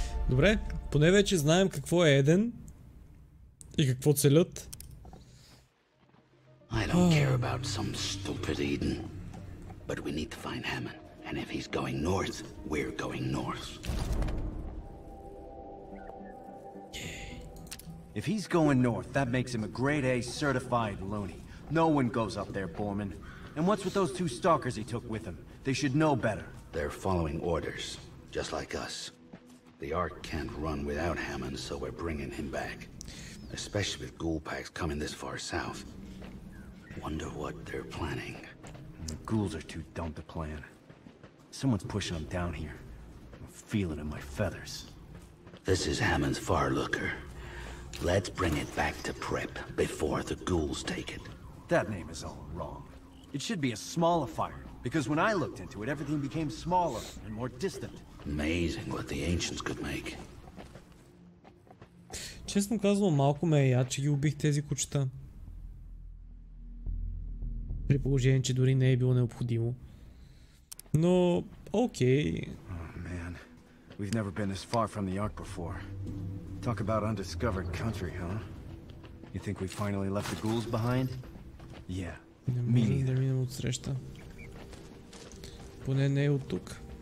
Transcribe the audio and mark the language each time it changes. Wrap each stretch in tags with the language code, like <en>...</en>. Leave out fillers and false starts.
<bg>Добре, поне вече знаем какво е Еден и какво целят.</bg> <en>I don't care about some stupid Eden. But we need to find Hammond, and if he's going north, we're going north. If he's going north, that makes him a grade A certified loony. No one goes up there, Borman. And what's with those two stalkers he took with him? They should know better. They're following orders, just like us. The Ark can't run without Hammond, so we're bringing him back. Especially with ghoul packs coming this far south. Wonder what they're planning. The ghouls are too dumb to plan. Someone's pushing them down here. I'm feeling it in my feathers. This is Hammond's far looker. Let's bring it back to Prep before the ghouls take it. That name is all wrong. It should be a smallifier. Because when I looked into it, everything became smaller and more distant. Amazing what the ancients could make.</en> <bg>Честно казвам, малко ме е яд, че ги убих тези кучета. При положение, че дори не е било необходимо. Но, окей.</bg> <en>Man, we've never been this far from the Ark before. Talk about undiscovered country, huh? You think we finally left the ghouls behind? Yeah, me neither.</en> <bg>Не можем да минем от среща. Поне не е от тук.</bg>